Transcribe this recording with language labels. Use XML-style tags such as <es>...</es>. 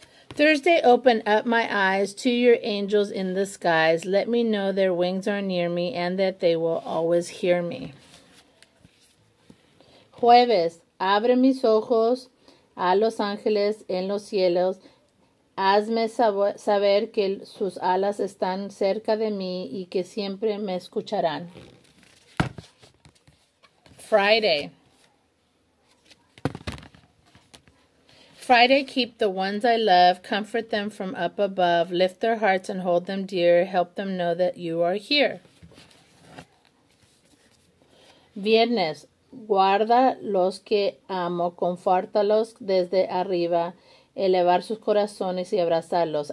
<en>Thursday, open up my eyes to your angels in the skies. Let me know their wings are near me and that they will always hear me.</en> <es>Jueves, abre mis ojos a los ángeles en los cielos, hazme saber que sus alas están cerca de mí y que siempre me escucharán.</es> <en>Friday, keep the ones I love, comfort them from up above, lift their hearts and hold them dear, help them know that you are here.</en> <es>Viernes, guarda los que amo, confórtalos desde arriba, elevar sus corazones y abrazarlos.</es>